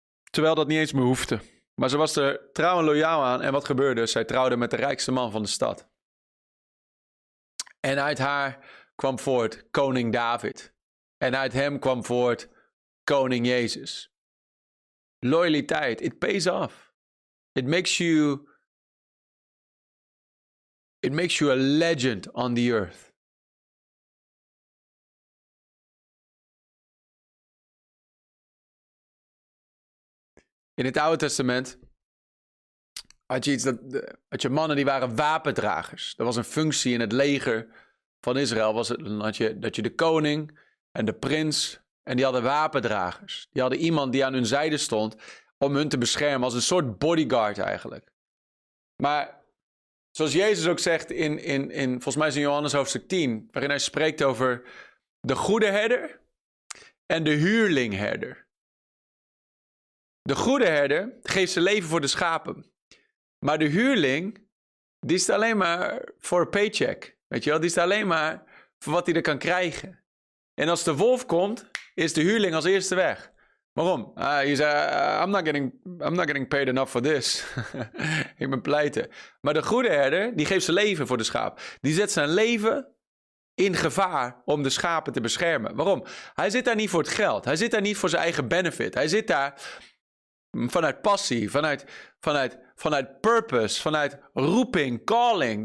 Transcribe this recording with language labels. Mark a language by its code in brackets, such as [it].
[nl] Terwijl dat niet eens meer hoefde. Maar ze was er trouw en loyaal aan. En wat gebeurde? Zij trouwde met de rijkste man van de stad. En uit haar kwam voort koning David. En uit hem kwam voort koning Jezus. [en] Loyaliteit, it pays off. It makes you a legend on the earth. [nl] In het Oude Testament had je mannen die waren wapendragers. Dat was een functie in het leger van Israël. Dat je de koning en de prins en die hadden wapendragers. Die hadden iemand die aan hun zijde stond om hun te beschermen, als een soort bodyguard eigenlijk. Maar zoals Jezus ook zegt in volgens mij is in Johannes hoofdstuk 10, waarin hij spreekt over de goede herder en de huurlingherder. De goede herder geeft zijn leven voor de schapen. Maar de huurling, die is alleen maar voor een paycheck. Weet je wel? Die is alleen maar voor wat hij er kan krijgen. En als de wolf komt, is de huurling als eerste weg. Waarom? [en] I'm not getting paid enough for this. [nl] Ik ben pleiten. Maar de goede herder, die geeft zijn leven voor de schaap. Die zet zijn leven in gevaar om de schapen te beschermen. Waarom? Hij zit daar niet voor het geld. Hij zit daar niet voor zijn eigen benefit. Hij zit daar vanuit passie, vanuit purpose, vanuit roeping, calling.